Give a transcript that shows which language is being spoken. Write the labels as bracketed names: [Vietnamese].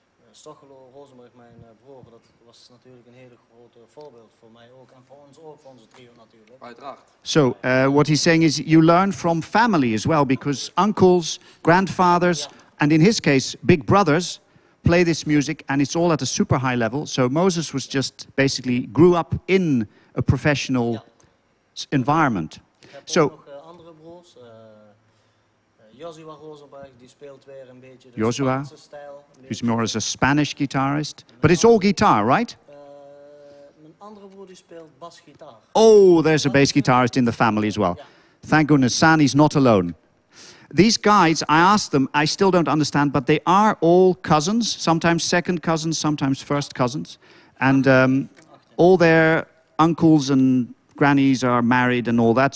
[Dutch] Stochelo Rosenberg, mijn broer, dat was natuurlijk een hele grote voorbeeld voor mij ook. En voor ons ook, voor onze trio natuurlijk. Uiteraard. [English] So, what he's saying is you learn from family as well, because uncles, grandfathers... Ja. And in his case, big brothers play this music and it's all at a super high level. So Moses was just basically grew up in a professional environment. [Dutch] So, andere broers, Joshua Rosenberg, die speelt weer een beetje de Joshua, Spaanse stijl. [English] Who's more as a Spanish guitarist. But it's all guitar, right? [Dutch] Mijn andere broer die speelt bas gitaar. [English] Oh, there's a bass guitarist in the family as well. Yeah. Thank goodness, Sani's not alone. These guys, I asked them, I still don't understand, but they are all cousins, sometimes second cousins, sometimes first cousins. And all their uncles and grannies are married and all that.